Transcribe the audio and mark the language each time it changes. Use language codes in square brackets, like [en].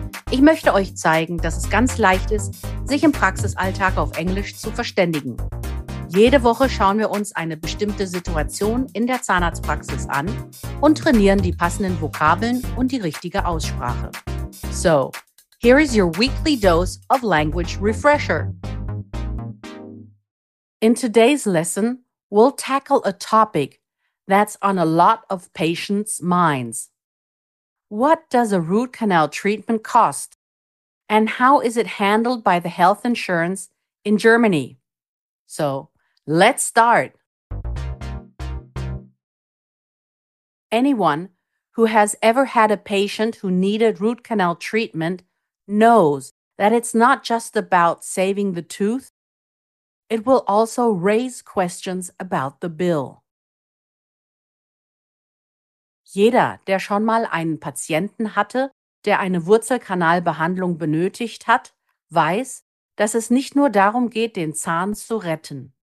[de] Ich möchte euch zeigen, dass es ganz leicht ist, sich im Praxisalltag auf Englisch zu verständigen. Jede Woche schauen wir uns eine bestimmte Situation in der Zahnarztpraxis an und trainieren die passenden Vokabeln und die richtige Aussprache. [en] So, here is your weekly dose of language refresher. In today's lesson, we'll tackle a topic that's on a lot of patients' minds. What does a root canal treatment cost? And how is it handled by the health insurance in Germany? So, let's start! Anyone who has ever had a patient who needed root canal treatment knows that it's not just about saving the tooth. It will also raise questions about the bill. [de] Jeder, der schon mal einen Patienten hatte, der eine Wurzelkanalbehandlung benötigt hat, weiß, dass es nicht nur darum geht, den Zahn zu retten.